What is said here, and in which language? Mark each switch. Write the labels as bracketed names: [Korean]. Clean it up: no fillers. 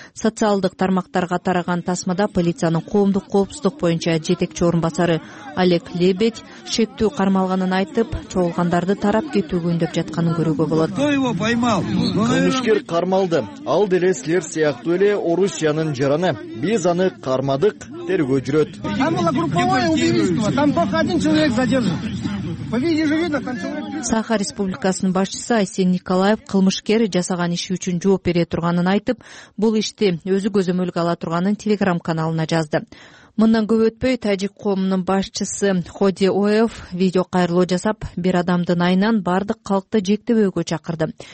[Kyrgyz] Социалдык тармактарга тараган тасмада полициянын коомдук коопсуздук боюнча жетекчи орун басары Олег Лебедь шектүү кармалганын айтып, чогулгандарды тарап кетүүгө үндөп жатканын көрүүгө болот. [Russian] Кто его поймал? [Kyrgyz] Кылмышкер кармалды. Ал деле силер сыяктуу эле Орусиянын жараны. Биз аны кармадык, тергөө жүрөт. [Russian] Там было групповое убийство. Там только один человек задержан. [Kyrgyz] Саха Республикасынын башчысы Айсен Николаев кылмышкер жасаган иши үчүн жооп бере турганын айтып, бул ишти өзү көзөмөлгө ала турганын Телеграм каналына жазды. Мындан көп өтпөй тажик коомунун башчысы Ходи Оев видео кайрылуу жасап, бир адамдын айынан бардык калкты жектебөөгө чакырды.